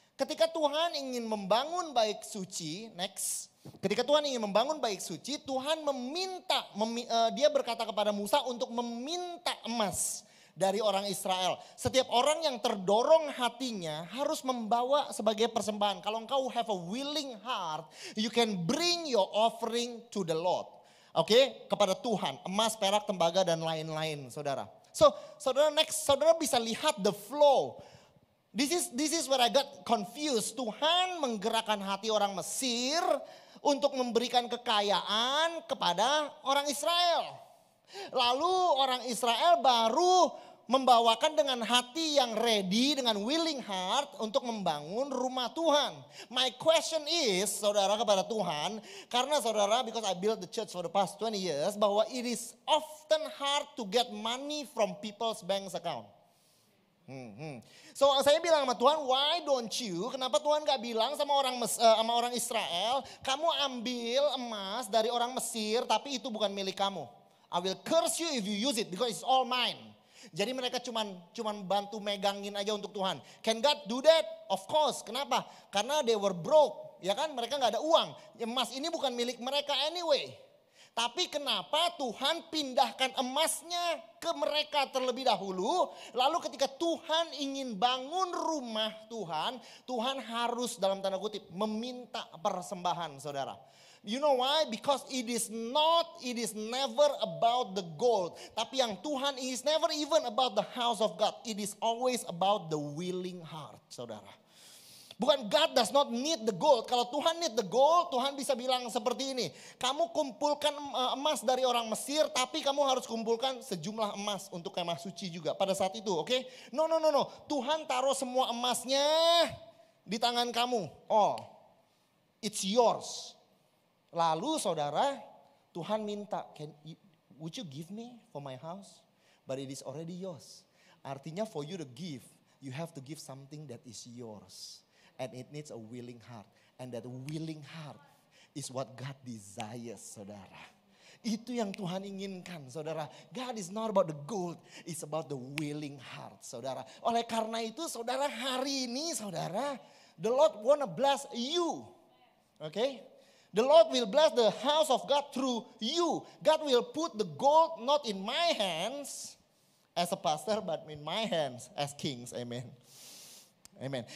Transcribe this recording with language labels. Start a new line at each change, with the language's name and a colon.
Indonesian: Ketika Tuhan ingin membangun bait suci, next. Ketika Tuhan ingin membangun bait suci, Tuhan meminta, dia berkata kepada Musa untuk meminta emas dari orang Israel. Setiap orang yang terdorong hatinya harus membawa sebagai persembahan. Kalau engkau
English: have a willing heart, you can bring your offering to the Lord.
Indonesian: Oke, okay, kepada Tuhan, emas, perak, tembaga, dan lain-lain, saudara.
English: So, saudara, next,
Indonesian: saudara bisa lihat
English: the flow. This is where I got confused.
Indonesian: Tuhan menggerakkan hati orang Mesir untuk memberikan kekayaan kepada orang Israel. Lalu orang Israel baru membawakan dengan hati yang ready, dengan
English: willing heart
Indonesian: untuk membangun rumah Tuhan.
English: My question is, saudara,
Indonesian: kepada Tuhan, karena saudara,
English: because I built the church for the past 20 years,
Indonesian: bahwa
English: it is often hard to get money from people's bank account.
Indonesian: So saya bilang sama Tuhan,
English: why don't you?
Indonesian: Kenapa Tuhan gak bilang sama orang orang Israel, kamu ambil emas dari orang Mesir, tapi itu bukan milik kamu.
English: I will curse you if you use it because it's all mine.
Indonesian: Jadi mereka cuman bantu megangin aja untuk Tuhan.
English: Can God do that? Of course.
Indonesian: Kenapa? Karena
English: they were broke,
Indonesian: ya kan? Mereka enggak ada uang. Emas ini bukan milik mereka anyway. Tapi kenapa Tuhan pindahkan emasnya ke mereka terlebih dahulu? Lalu ketika Tuhan ingin bangun rumah Tuhan, Tuhan harus dalam tanda kutip meminta persembahan, saudara.
English: You know why? Because it is never about the gold.
Indonesian: Tapi yang Tuhan,
English: it is never even about the house of God. It is always about the willing heart, saudara. Bukan God does not need the gold.
Indonesian: Kalau Tuhan
English: need the gold,
Indonesian: Tuhan bisa bilang seperti ini. Kamu kumpulkan emas dari orang Mesir, tapi kamu harus kumpulkan sejumlah emas untuk kemah suci juga pada saat itu, oke?
English: Okay? No.
Indonesian: Tuhan taruh semua emasnya di tangan kamu.
English: Oh, it's yours.
Indonesian: Lalu saudara, Tuhan minta,
English: would you give me for my house? But it is already yours.
Indonesian: Artinya
English: for you to give, you have to give something that is yours. And it needs a willing heart. And that willing heart is what God desires, saudara.
Indonesian: Itu yang Tuhan inginkan, saudara.
English: God is not about the gold, it's about the willing heart, saudara.
Indonesian: Oleh karena itu, saudara, hari ini, saudara,
English: the Lord wanna bless you. Okay? The Lord will bless the house of God through you. God will put the gold not in my hands as a pastor, but in my hands as kings. Amen. Amen.